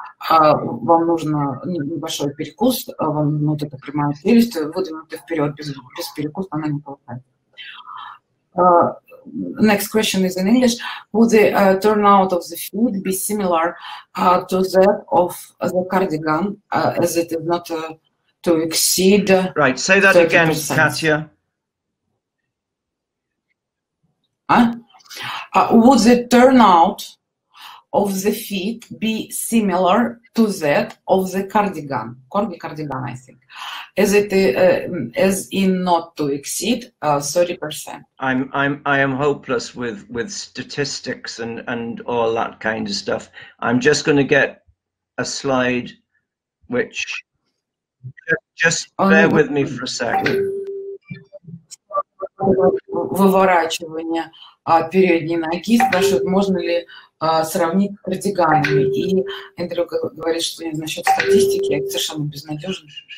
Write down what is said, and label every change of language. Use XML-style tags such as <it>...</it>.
<ru>Вам нужно небольшой перекус, вам вот это прямая челюсть, выдвинуты вперед, без перекуса она не получает.</ru> <en>Next question is in English. Would the turnout of the food be similar to that of the cardigan, as it is not to exceed 30%? Right, say that again, Katia. Would the turnout of the feet be similar to that of the cardigan, corgi cardigan, I think, as it as in not to exceed 30%. I am hopeless with statistics and all that kind of stuff. I'm just going to get a slide, which just bear with me for a second.</en> <ru>Выворачивание передней ноги спрашивают, можно ли сравнить с кардиганами. И Эндрю говорит, что насчет статистики я совершенно безнадежен.</ru>